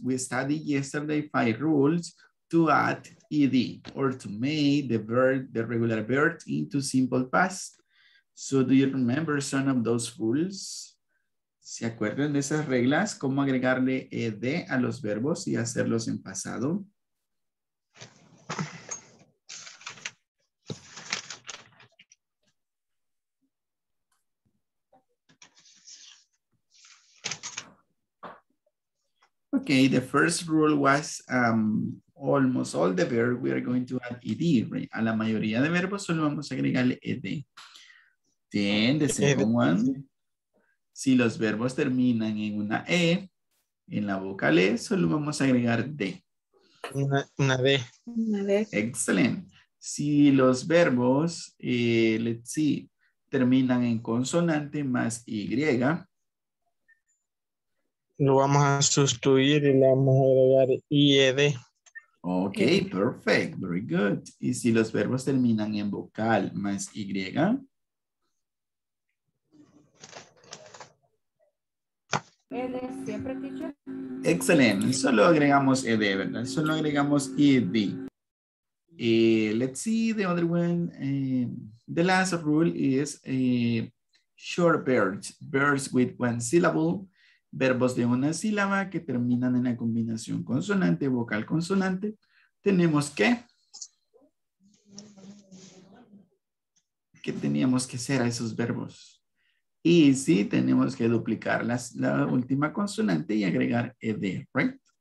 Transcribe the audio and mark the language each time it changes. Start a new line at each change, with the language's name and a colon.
English: We studied yesterday five rules to add ed or to make the verb, the regular verb into simple past. So do you remember some of those rules?
Spanish: ¿Se acuerdan de esas reglas? ¿Cómo agregarle ed a los verbos y hacerlos en pasado?
English: Okay, the first rule was almost all the verbs we are going to add ed, right?
Spanish: A la mayoría de verbos solo vamos a agregarle ed.
English: Then the second one,
Spanish: si los verbos terminan en una e, en la vocal e, solo vamos a agregar d. Una d. Una d.
English: Excellent.
Spanish: Si los verbos,
English: let's see,
Spanish: terminan en consonante más y, lo vamos a sustituir y le vamos a agregar IED.
English: Ok, perfect, very good.
Spanish: ¿Y si los verbos terminan en vocal más Y? ED, siempre teacher. Excellent, solo agregamos ED, ¿verdad? Solo agregamos ED.
English: Let's see the other one. The last rule is short verbs, verbs with one syllable.
Spanish: Verbos de una sílaba que terminan en la combinación consonante, vocal, consonante. Tenemos que. ¿Qué teníamos que hacer a esos verbos? Y sí, tenemos que duplicar la última consonante y agregar ed,
English: right?